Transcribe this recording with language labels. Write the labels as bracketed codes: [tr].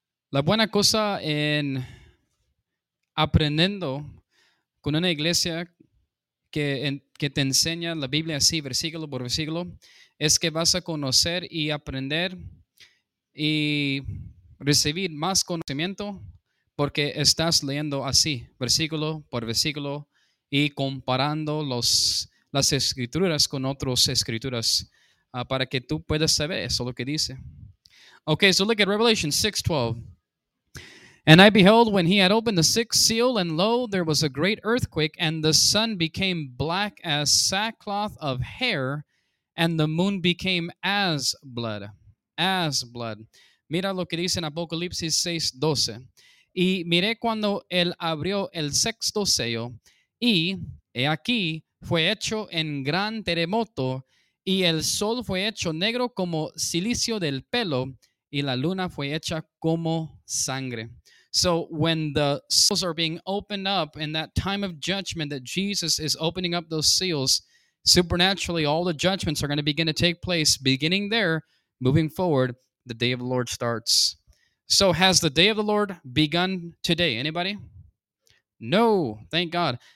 [es] La buena cosa en aprendiendo con una iglesia que te enseña la Biblia así, versículo por versículo, es que vas a conocer y aprender y recibir más conocimiento porque estás leyendo así, versículo por versículo, y comparando las escrituras con otras escrituras para que tú puedas saber eso lo que dice. [en] Okay, so look at Revelation 6:12. And I beheld when he had opened the sixth seal, and lo, there was a great earthquake, and the sun became black as sackcloth of hair, and the moon became as blood. As blood. [es] Mira lo que dice en Apocalipsis 6:12. Y miré cuando él abrió el sexto sello, y he aquí fue hecho en gran terremoto, y el sol fue hecho negro como silicio del pelo, y la luna fue hecha como sangre. [en] So when the seals are being opened up in that time of judgment that Jesus is opening up those seals, supernaturally all the judgments are going to begin to take place. Beginning there, moving forward, the day of the Lord starts. So has the day of the Lord begun today? Anybody? No, thank God.